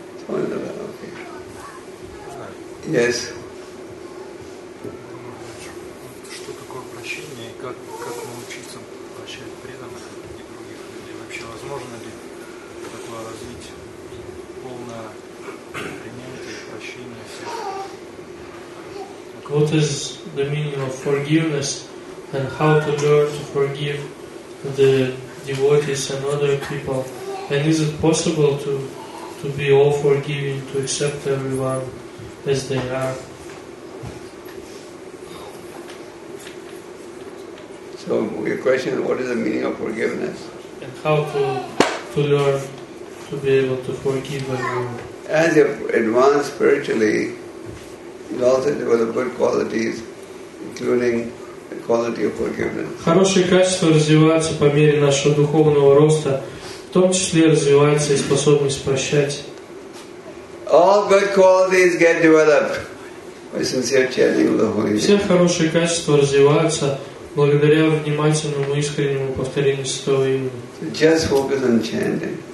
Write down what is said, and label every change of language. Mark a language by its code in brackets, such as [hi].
[en] Okay. Yes. [ru] Что такое прощение и как научиться прощать преданных и других людей? Вообще возможно ли такое развить полное принятие прощения всех? [en] What is the meaning of forgiveness and how to learn to forgive the devotees and other people? And is it possible to be all forgiving, to accept everyone as they are? So your question, what is the meaning of forgiveness? And how to learn to be able to forgive everyone? As you advance spiritually, you also develop good qualities, including the quality of forgiveness. [ru] Хорошие качества развиваются по мере нашего духовного роста. В том числе развивается и способность прощать. Все хорошие качества развиваются благодаря внимательному искреннему повторению святого имени.